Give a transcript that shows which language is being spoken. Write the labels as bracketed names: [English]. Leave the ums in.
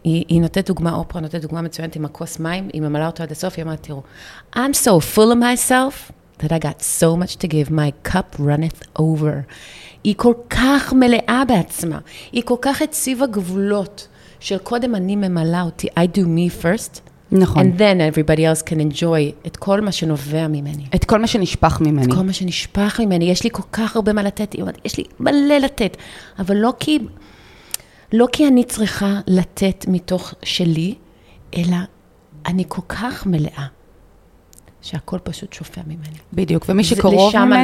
[Hebrew] היא, היא נותנת דוגמה, אופרה נותנת דוגמה מצוינת עם הכוס מים, היא ממלאה אותו עד הסוף, היא אמרת, תראו, [English] I'm so full of myself that I got so much to give, my cup runneth over. [Hebrew] היא כל כך מלאה בעצמה, היא כל כך הציבה גבולות של קודם אני ממלאה אותי, [English] I do me first. [Hebrew] נכון. [English] And then everybody else can enjoy [Hebrew] את כל מה שנובע ממני. את כל מה שנשפך ממני. את כל מה שנשפך ממני. יש לי כל כך הרבה מה לתת, יש לי מלא לתת, אבל לא כי... לא כי אני צריכה לתת מתוך שלי, אלא אני כל כך מלאה, שהכל פשוט שופע ממני. בדיוק, ומי שקרוב לשם ממני...